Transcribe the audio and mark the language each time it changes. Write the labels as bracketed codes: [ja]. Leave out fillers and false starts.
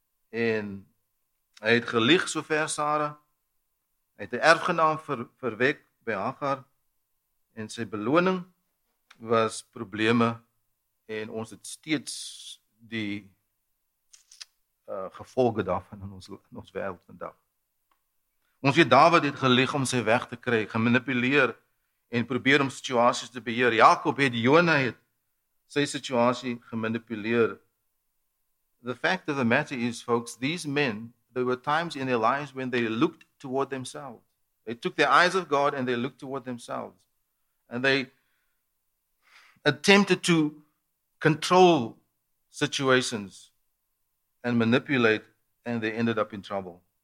[af] En hy het gelieg sover Sara. Hy het 'n erfgenaam verwek by Hagar. En sy beloning was probleme. En ons het steeds die gevolge daarvan in ons wêreld vandag. Ons weet Dawid het gelieg om sy weg te kry, gemanipuleer en probeer om situasies te beheer. Jakob het Jona het sy situasie gemanipuleer. [en] The fact of the matter is, folks, these men, there were times in their lives when they looked toward themselves. They took their eyes off God and they looked toward themselves. And they attempted to control situations and manipulate, and they ended up in trouble.